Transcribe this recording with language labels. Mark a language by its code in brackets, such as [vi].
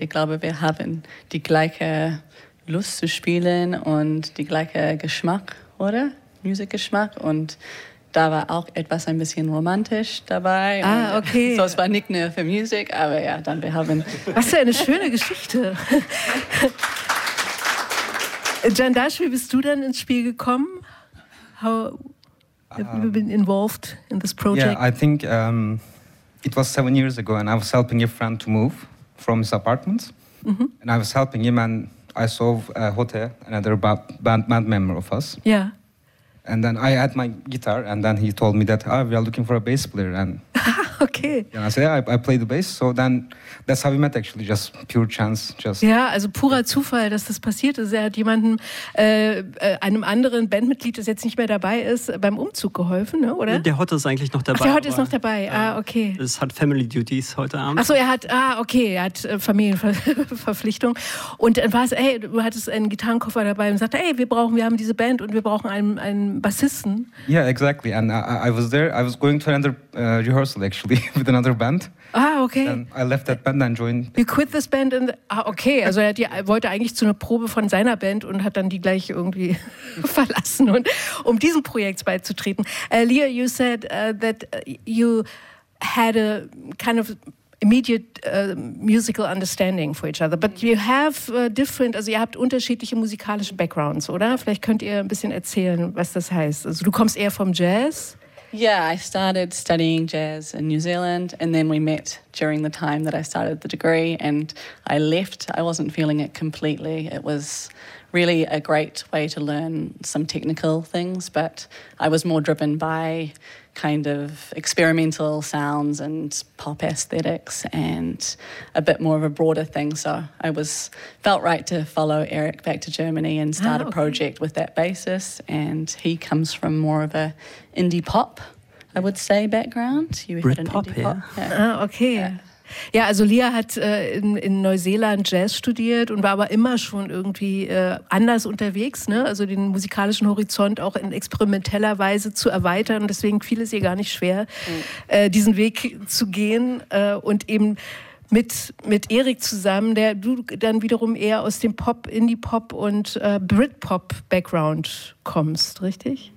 [de] Ich glaube, wir haben die gleiche Lust zu spielen und die gleiche Geschmack, oder? Musikgeschmack und da war auch etwas ein bisschen romantisch dabei. Ah, okay. So, es war nicht nur für Musik, aber ja, dann wir haben... Was für eine schöne Geschichte. Jandash, wie bist du dann ins Spiel gekommen? [en] How have you been involved in this project? Yeah, I think it was 7 years ago and I was helping a friend to move from his apartment. Mm-hmm. And I was helping him and I saw Hote, another band member of us. Yeah. And then I had my guitar, and then he told me that we are looking for a bass player. And okay. And I said, yeah, I play the bass. So then that's how we met, actually, just pure chance. Just [de] ja, also purer Zufall, dass das passiert ist. Er hat jemandem, einem anderen Bandmitglied, das jetzt nicht mehr dabei ist, beim Umzug geholfen, ne? Oder? Der Hotte ist eigentlich noch dabei. Ach, der Hotte ist noch dabei, okay. Es hat [en] Family Duties [de] heute Abend. Ach so, er hat Familienverpflichtung. Und was, ey, du hattest einen Gitarrenkoffer dabei und sagte, ey, wir haben diese Band und wir brauchen einen Bassisten. [en] Yeah, exactly. And I was there. I was going to another rehearsal actually with another band. Ah, okay. And I left that band and joined. You quit this band and okay. [de] Also er wollte eigentlich zu einer Probe von seiner Band und hat dann die gleich irgendwie verlassen, und um diesem Projekt beizutreten. [en] Leah, you said that you had a kind of immediate musical understanding for each other, but you have different, [de] also ihr habt unterschiedliche musikalische Backgrounds, oder? Vielleicht könnt ihr ein bisschen erzählen, was das heißt. Also du kommst eher vom Jazz? [en] Yeah, I started studying jazz in New Zealand and then we met during the time that I started the degree and I left. I wasn't feeling it completely. It was really a great way to learn some technical things, but I was more driven by kind of experimental sounds and pop aesthetics and a bit more of a broader thing. So I was felt right to follow Eric back to Germany and start a project with that basis. And he comes from more of a indie pop, I would say, background. You Brit had an pop, indie pop. Ah, okay. [de] Ja, also Lea hat in Neuseeland Jazz studiert und war aber immer schon irgendwie anders unterwegs, ne? Also den musikalischen Horizont auch in experimenteller Weise zu erweitern. Und deswegen fiel es ihr gar nicht schwer, diesen Weg zu gehen und eben mit Erik zusammen, der du dann wiederum eher aus dem Pop, Indie-Pop und Britpop-Background kommst, richtig?